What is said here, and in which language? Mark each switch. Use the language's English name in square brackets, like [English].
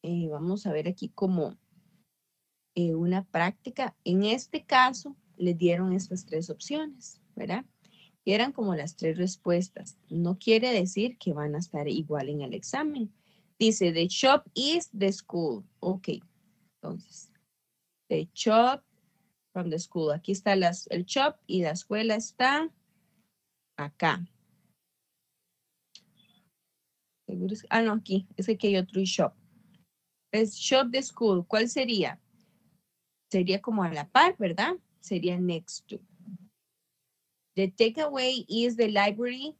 [Spanish] Vamos a ver aquí como una práctica. En este caso, les dieron estas tres opciones, ¿verdad? Y eran como las tres respuestas. No quiere decir que van a estar igual en el examen. Dice, [English] the shop is the school. [Spanish] Ok, entonces, [English] the shop from the school. [Spanish] Aquí está el shop y la escuela está acá. Aquí hay otro shop. Es [English] shop the school. [Spanish] ¿Cuál sería? Sería como a la par, ¿verdad? Sería next to. [English] The takeaway is the library.